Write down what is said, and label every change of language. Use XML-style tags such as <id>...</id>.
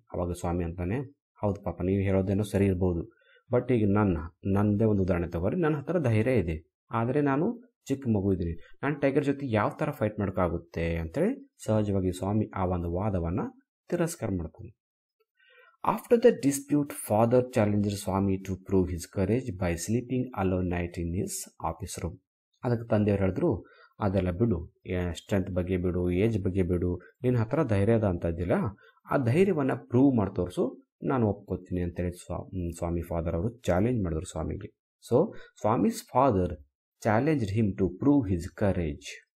<kn>ಅವಾಗ ಸ್ವಾಮಿ ಅಂತಾನೆ, ಹೌದು ಪಾಪ ನೀವು ಹೇಳೋದೇನೋ ಸರಿ ಇರ್ಬೋದು, ಬಟ್ ಈಗ ನನ್ನದೇ ಒಂದು ಉದಾಹರಣೆ ತಗೋರಿ, ನನ್ನ ಹತ್ರ ಧೈರ್ಯ ಇದೆ, ಆದರೆ ನಾನು ಚಿಕ್ಕ ಮಗು ಇದ್ದೀನಿ, ನಾನು ಟೈಗರ್ ಜೊತೆ ಯಾವ ಥರ ಫೈಟ್ ಮಾಡೋಕ್ಕಾಗುತ್ತೆ ಅಂತೇಳಿ ಸಹಜವಾಗಿ ಸ್ವಾಮಿ ಆ ಒಂದು ವಾದವನ್ನು ತಿರಸ್ಕಾರ ಮಾಡ್ತಾನೆ.</kn> <en>After the dispute, father challenged Swami to prove his courage by sleeping alone night in his office room.</en> <kn>ಅದಕ್ಕೆ ತಂದೆಯವ್ರು ಹೇಳಿದ್ರು, ಅದೆಲ್ಲ ಬಿಡು, ಸ್ಟ್ರೆಂತ್ ಬಗ್ಗೆ ಬಿಡು, ಏಜ್ ಬಗ್ಗೆ ಬಿಡು, ನಿನ್ನ ಹತ್ರ ಧೈರ್ಯದ ಅಂತ ಇದ್ದಿಲ್ಲ, ಆ ಧೈರ್ಯವನ್ನ ಪ್ರೂವ್ ಮಾಡಿ ತೋರಿಸು, ನಾನು ಒಪ್ಕೋತೀನಿ ಅಂತೇಳಿ ಸ್ವಾಮಿ ಫಾದರ್ ಅವರು ಚಾಲೆಂಜ್ ಮಾಡಿದ್ರು ಸ್ವಾಮಿಗೆ.</kn> <en>So Swami's father challenged him to prove his courage.</en>